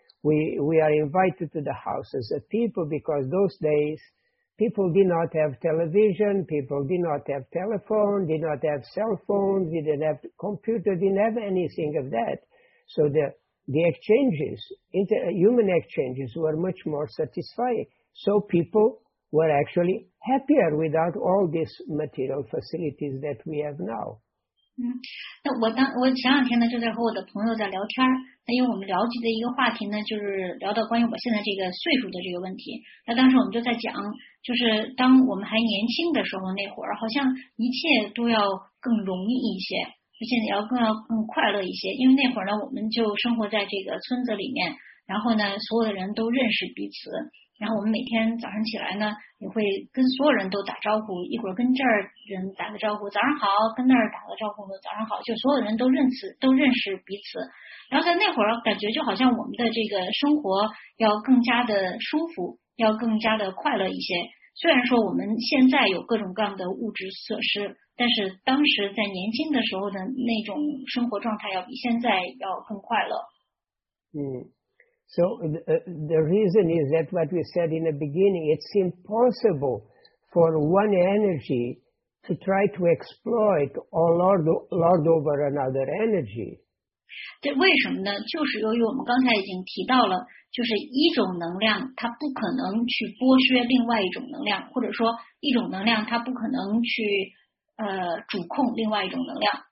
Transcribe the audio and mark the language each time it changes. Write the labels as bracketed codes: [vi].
[en] We are invited to the houses of people, because those days, people did not have television, people did not have telephone, did not have cell phones, didn't have computer, didn't have anything of that. So the exchanges, human exchanges were much more satisfying. So people were actually happier without all these material facilities that we have now. [zh] 那我前两天呢，就在和我的朋友在聊天儿。那因为我们聊及的一个话题呢，就是聊到关于我现在这个岁数的这个问题。那当时我们就在讲，就是当我们还年轻的时候，那会儿好像一切都要更容易一些，而且要更快乐一些。因为那会儿呢，我们就生活在这个村子里面，然后呢，所有的人都认识彼此。然后我们每天早上起来呢，也会跟所有人都打招呼，一会儿跟这儿人打个招呼，早上好，跟那儿打个招呼，早上好，就所有人都认识彼此。然后在那会儿，感觉就好像我们的这个生活要更加的舒服，要更加的快乐一些。虽然说我们现在有各种各样的物质设施，但是当时在年轻的时候的那种生活状态要比现在要更快乐。嗯。 [en] So the reason is that what we said in the beginning, it's impossible for one energy to try to exploit or lord over another energy. [zh] 对，为什么呢？就是由于我们刚才已经提到了，就是一种能量它不可能去剥削另外一种能量，或者说一种能量它不可能去主控另外一种能量。